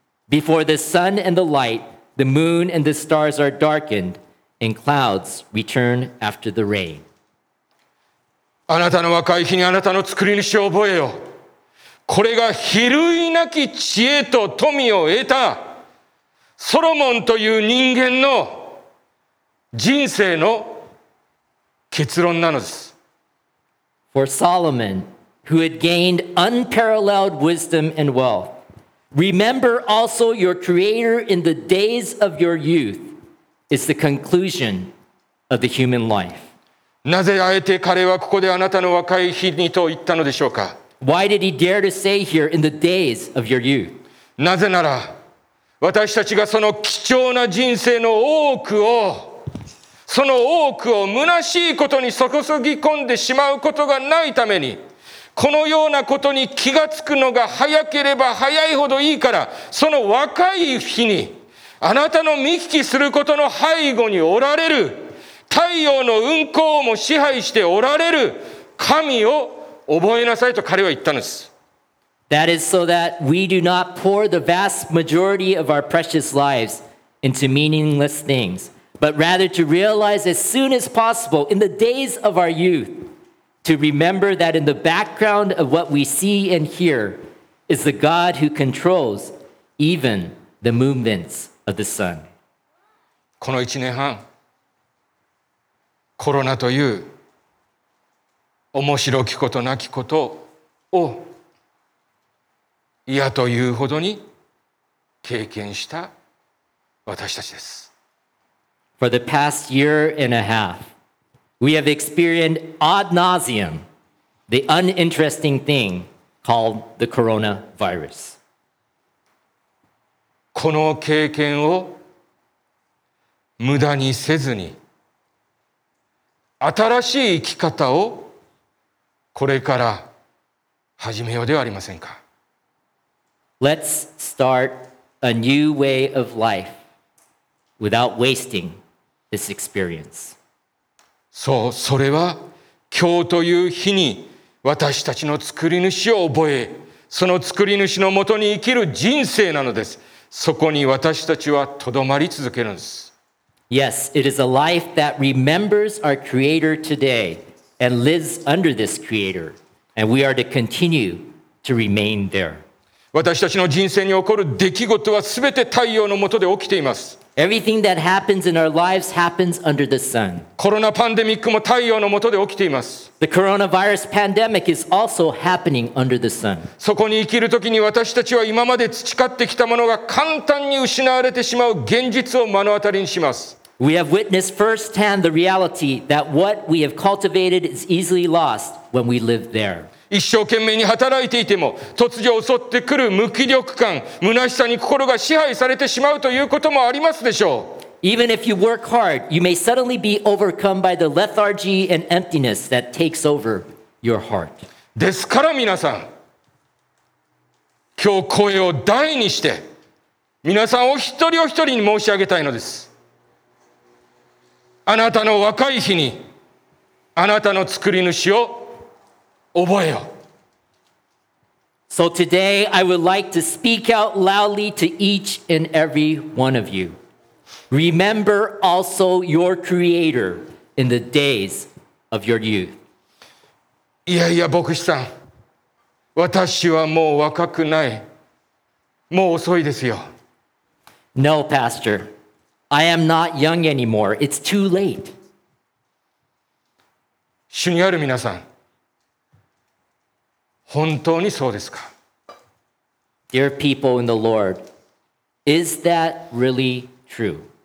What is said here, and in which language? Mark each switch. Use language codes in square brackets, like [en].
[en] Before the sun and the light, the moon and the stars are darkened, and clouds return after the rain. [ja] あなたの若い日にあなたの作り主を覚えよ。これが比類なき知恵と富を得たソロモンという人間の人生の結論なのです。 [en] For Solomon, who had gained unparalleled wisdom and wealth, remember also your Creator in the days of your youth is the conclusion of the human life. [ja] なぜあえて彼はここであなたの若い日にと言ったのでしょうか。 [en] Why did he dare to say here in the days of your youth? [ja] なぜなら私たちがその貴重な人生の多くをその多くを虚しいことに注ぎ込んでしまうことがないためにこのようなことに気がつくのが早ければ早いほどいいからその若い日にあなたの見聞きすることの背後におられる太陽の運行をも支配しておられる神を覚えなさいと彼は言ったんです。 [en] That is so that we do not pour the vast majority of our precious lives into meaningless things, but rather to realize as soon as possible in the days of our youth, to remember that in the background of what we see and hear is the God who controls even the movements of the sun. [ja] この1年半、コロナという面白きことなきことを嫌というほどに経験した私たちです。 [en] For the past year and a half, we have experienced ad nauseam, the uninteresting thing called the coronavirus. [ja] この経験を無駄にせずに、新しい生き方をこれから始めようではありませんか。 [en] Let's start a new way of life without wasting this experience. [ja] そう、それは今日という日に私たちの作り主を覚え、その作り主のもとに生きる人生なのです。そこに私たちはとどまり続けるんです。 [en] Yes, it is a life that remembers our Creator today and lives under this Creator, and we are to continue to remain there. [ja] 私たちの人生に起こる出来事は全て太陽の下で起きています。 [en] Everything that happens in our lives happens under the sun. [ja] コロナパンデミックも太陽の下で起きています。 [en] The coronavirus pandemic is also happening under the sun. [ja] そこに生きる時に私たちは今まで培ってきたものが簡単に失われてしまう現実を目の当たりにします。 [en] We have witnessed firsthand the reality that what we have cultivated is easily lost when we live there. [ja] 一生懸命に働いていても突如襲ってくる無気力感、虚しさに心が支配されてしまうということもありますでしょう。 [en] Even if you work hard, you may suddenly be overcome by the lethargy and emptiness that takes over your heart. [ja] ですから皆さん、今日声を大にして皆さんお一人お一人に申し上げたいのです。あなたの若い日にあなたの作り主を覚えよ。 [en] So today I would like to speak out loudly to each and every one of you. Remember also your Creator in the days of your youth. [ja] いやいや牧師さん、私はもう若くない、もう遅いですよ。 [en] No, Pastor, I am not young anymore. It's too late. [ja] 主にある皆さん、本当にそうですか? [en] Dear people in the Lord, is that really true?